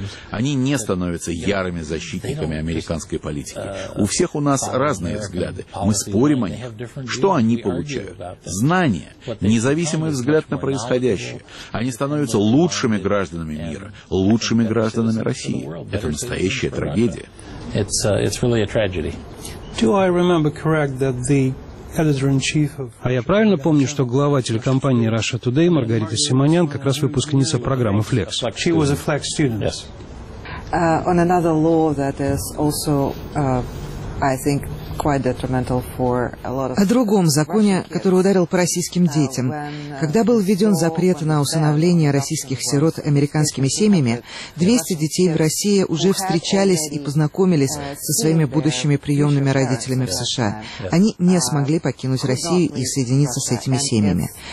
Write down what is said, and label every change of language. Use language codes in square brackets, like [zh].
[ru] Они не становятся ярыми защитниками американской политики. У всех у нас разные взгляды. Мы спорим о них. Что они получают? Знания, независимый взгляд на происходящее. Они становятся лучшими гражданами мира, лучшими гражданами России. Это настоящая трагедия. [en] It's really a tragedy. Do I remember correct that the editor-in-chief of... А я правильно помню, что глава телекомпании Russia Today Маргарита Симонян как раз выпускница программы Flex? She was a Flex student. Yes. On another law that is also, I think, quite detrimental for a lot of... [ru] О другом законе, который ударил по российским детям. Когда был введен запрет на усыновление российских сирот американскими семьями, 200 детей в России уже встречались и познакомились со своими будущими приемными родителями в США. Они не смогли покинуть Россию и соединиться с этими семьями.